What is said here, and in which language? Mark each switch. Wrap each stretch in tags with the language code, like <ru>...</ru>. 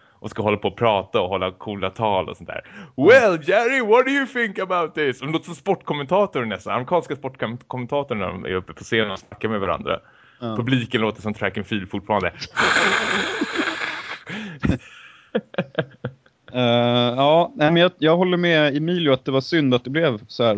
<sv>Och ska hålla på och prata och hålla coola tal och sånt där.</sv> <en>Well, Jerry, what do you think about this?</en> <sv>Och låter som sportkommentatorer nästan. Amerikanska sportkommentatorer när de är uppe på scenen och snackar med varandra. Mm. Publiken låter som Track and Field fortfarande. ja, men jag håller med Emilio att det var synd att det blev så här.</sv>